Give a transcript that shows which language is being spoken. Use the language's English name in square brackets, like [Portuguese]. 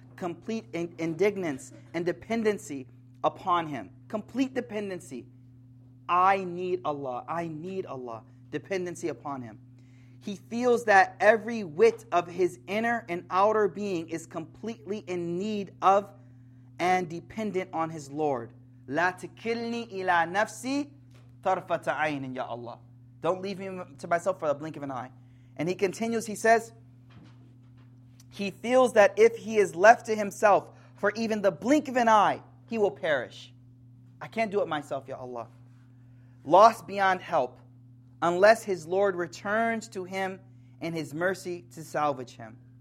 [English] Complete indigence and dependency upon him. Complete dependency. I need Allah. Dependency upon him. He feels that every whit of his inner and outer being is completely in need of and dependent on his Lord. [Arabic] لا تكلني إلى نفسي طرفة عين يا الله. [English] Don't leave me to myself for the blink of an eye. And he continues, he says, he feels that if he is left to himself for even the blink of an eye, he will perish. I can't do it myself, ya Allah. Lost beyond help, unless his Lord returns to him in his mercy to salvage him.